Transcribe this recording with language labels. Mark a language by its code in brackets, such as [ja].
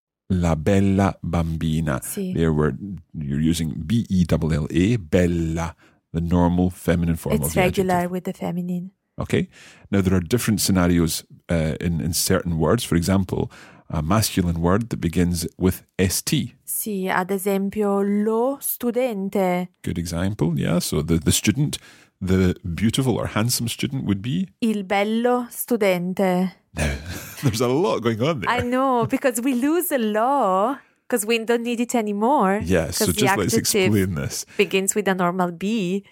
[it] La bella bambina. Sì. [en] There we're, you're using B-E-L-L-A, bella, the normal feminine form it's of the regular adjective. With the feminine. Okay. Now, there are different scenarios in certain words. For example, a masculine word that begins with S-T. [it] Sì, ad esempio, lo studente. [en] Good example, yeah. So the student, the beautiful or handsome student would be? [it] Il bello studente. [en] Now, there's a lot going on there. I know, because we lose a lo, because we don't need it anymore. Yes, so just let's explain this. Begins with a normal B.